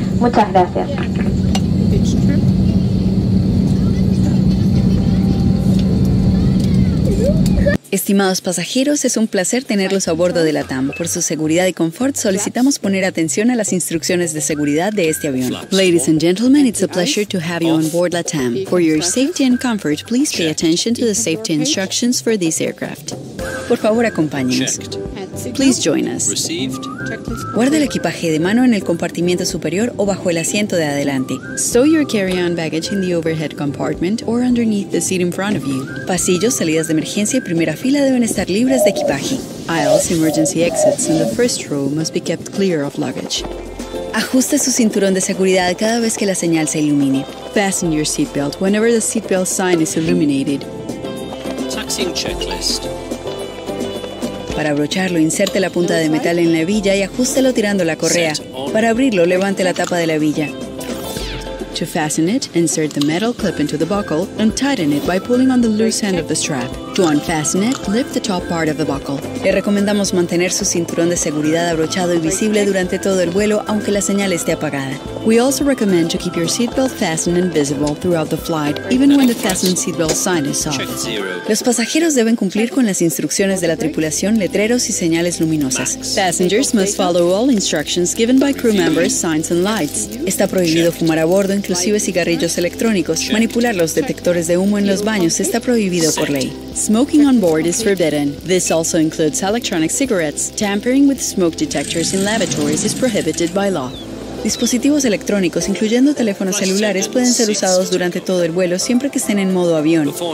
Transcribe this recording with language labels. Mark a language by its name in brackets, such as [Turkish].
[Spanish] Muchas gracias. Estimados pasajeros, es un placer tenerlos a bordo de LATAM. Por su seguridad y confort, solicitamos poner atención a las instrucciones de seguridad de este avión. [English] Ladies and gentlemen, it's a pleasure to have you on board LATAM. For your safety and comfort, please pay attention to the safety instructions for this aircraft. [Spanish] Por favor, acompáñenos. [English] Please join us. Received. [Spanish] Guarda el equipaje de mano en el compartimiento superior o bajo el asiento de adelante. [English] Stow your carry-on baggage in the overhead compartment or underneath the seat in front of you. [Spanish] Pasillos, salidas de emergencia y primera fila deben estar libres de equipaje. [English] Aisles, emergency exits, and the first row must be kept clear of luggage. [Spanish] Ajuste su cinturón de seguridad cada vez que la señal se ilumine. [English] Fasten your seatbelt whenever the seatbelt sign is illuminated. Taxiing checklist. [Spanish] Para abrocharlo, inserte la punta de metal en la hebilla y ajústelo tirando la correa. Para abrirlo, levante la tapa de la hebilla. [English] To fasten it, insert the metal clip into the buckle and tighten it by pulling on the loose end of the strap. To unfasten it, lift the top part of the buckle. [Spanish] Le recomendamos mantener su cinturón de seguridad abrochado y visible durante todo el vuelo, aunque la señal esté apagada. [English] We also recommend to keep your seatbelt fastened and visible throughout the flight, even when the fastened seatbelt sign is off. [Spanish] Los pasajeros deben cumplir con las instrucciones de la tripulación, letreros y señales luminosas. [English] Passengers must follow all instructions given by crew members, signs and lights. [Spanish] Está prohibido fumar a bordo, inclusive cigarrillos electrónicos. Manipular los detectores de humo en los baños está prohibido por ley. [English] Smoking on board is forbidden. This also includes electronic cigarettes. Tampering with smoke detectors in lavatories is prohibited by law. [Spanish] Dispositivos electrónicos, incluyendo teléfonos celulares, pueden ser usados durante todo el vuelo siempre que estén en modo avión.